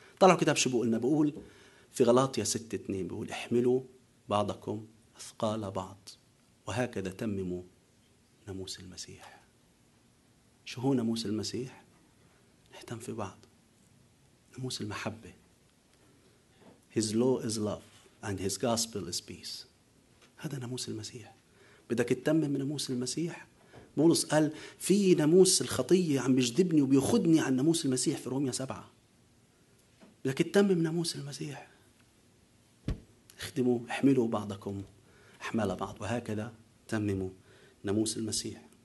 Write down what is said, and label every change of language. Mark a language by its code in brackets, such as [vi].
[ar] طلعوا كتاب شو بقولنا؟ بقول في غلاطية 6:2 بقول احملوا بعضكم أثقال بعض وهكذا تمموا ناموس المسيح. شو هو ناموس المسيح؟ نهتم في بعض، ناموس المحبة. [en] His law is love and his gospel is peace. [ar] هذا ناموس المسيح. بدك تتمم من ناموس المسيح. بولس قال في ناموس الخطية عم بيجذبني وبيخدني عن ناموس المسيح في روميا 7. بدك تتمم من ناموس المسيح. اخدموا، احملوا بعضكم احمال بعض وهكذا تمموا ناموس المسيح.